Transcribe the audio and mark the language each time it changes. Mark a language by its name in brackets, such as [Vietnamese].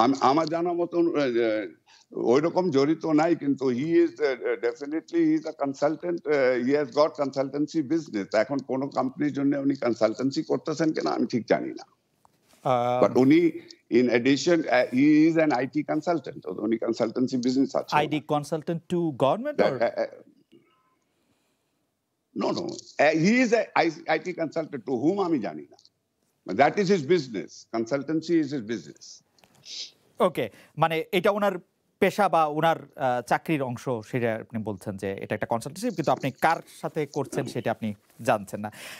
[Bangla] আমার জানা মতন ওই রকম জড়িত নাই, কিন্তু [English] He is definitely he is a consultant, he has got consultancy business. [Bangla] এখন কোন কোম্পানির জন্য উনি কনসালটেন্সি করতেছেন কিনা আমি ঠিক জানি না, বাট উনি in addition [English] he is an IT consultant, [Bangla] উনি কনসালটেন্সি বিজনেস আছে। [English] IT consultant to government? No. He is an IT consultant to whom [Bangla] আমি জানি না, [English] but that is his business. Consultancy is his business. [Bangla] Okay, মানে এটা ওনার পেশা বা ওনার চাকরির অংশ সেটা আপনি বলছেন যে এটা একটা কনসালটেন্সি, কিন্তু আপনি কার সাথে করছেন সেটা আপনি জানছেন না।